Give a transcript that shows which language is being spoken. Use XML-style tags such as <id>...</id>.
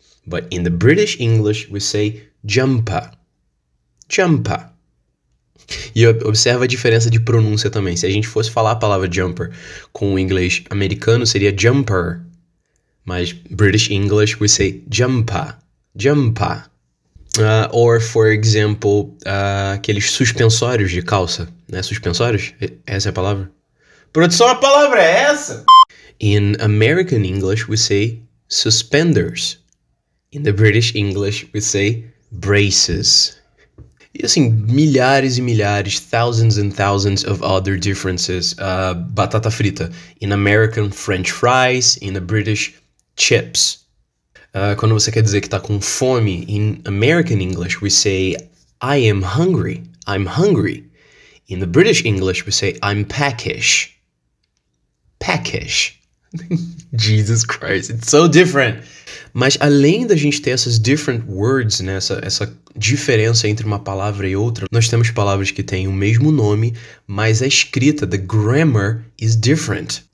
<en>But in the British English, we say jumper.</en> <pt>Jumper. E observa a diferença de pronúncia também. Se a gente fosse falar a palavra jumper com o inglês americano, seria jumper.</pt> <en>Mas British English, we say jumper. Jumper. Or, for example,</en> <pt>aqueles suspensórios de calça, né? Suspensórios? Essa é a palavra? Produção, a palavra é essa?</pt> <en>In American English, we say suspenders. In the British English, we say braces.</en> <pt>E assim, milhares e milhares,</pt> <en>thousands and thousands of other differences.</en> <pt>Batata frita.</pt> <en>In American, French fries. In the British, chips.</en> <pt>Quando você quer dizer que está com fome,</pt> <en>in American English, we say I am hungry. I'm hungry. In the British English, we say I'm peckish. Peckish. Jesus Christ, it's so different.</en> <pt>Mas além da gente ter essas</pt> <en>different words,</en> <pt>né, essa diferença entre uma palavra e outra, nós temos palavras que têm o mesmo nome, mas a escrita,</pt> <en>the grammar, is different.</en>